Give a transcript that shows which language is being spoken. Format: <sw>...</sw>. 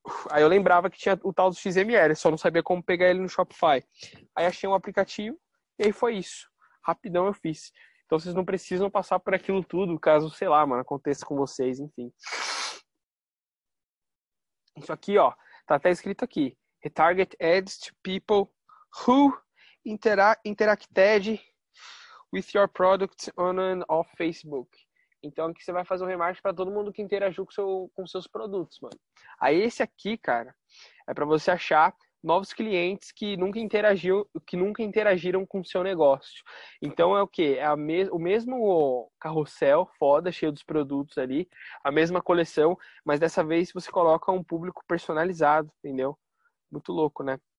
<pt>Aí eu lembrava que tinha o tal do XML, só não sabia como pegar ele no Shopify. Aí achei um aplicativo e aí foi isso. Rapidão eu fiz. Então vocês não precisam passar por aquilo tudo, caso, sei lá, mano, aconteça com vocês, enfim. Isso aqui, ó, tá até escrito aqui.</pt> <en>Retarget ads to people who interacted with your product on and off Facebook.</en> <pt>Então aqui você vai fazer um remarketing para todo mundo que interagiu com seus produtos, mano. Aí esse aqui, cara, é para você achar novos clientes que nunca interagiram com o seu negócio. Então é o quê? É o mesmo carrossel foda, cheio dos produtos ali, a mesma coleção, mas dessa vez você coloca um público personalizado, entendeu? Muito louco, né?</pt>